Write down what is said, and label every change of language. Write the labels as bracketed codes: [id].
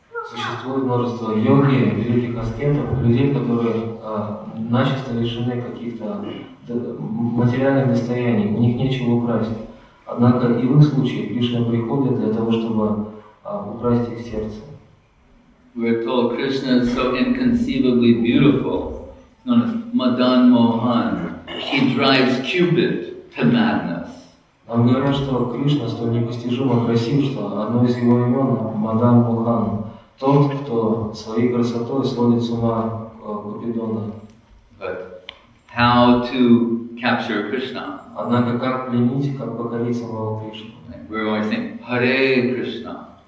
[ru] Существует множество йоги, великих аскетов, людей, которые начисто лишены каких-то материальных достояний, у них нечего украсть. Однако и в их случае Кришна приходит для того, чтобы украсть их сердце. [en] We're told Krishna is so inconceivably beautiful, known as Madan Mohan. He drives Cupid to madness. [ru] Нам говорят, что Кришна столь непостижимо красив, что одно из его имен – Мадан Мохан, тот, кто своей красотой сводит с ума Купидона. [en] But how to capture Krishna? [ru] Однако как пленить, как покорить самого Кришну? [en] We always say Hare Krishna.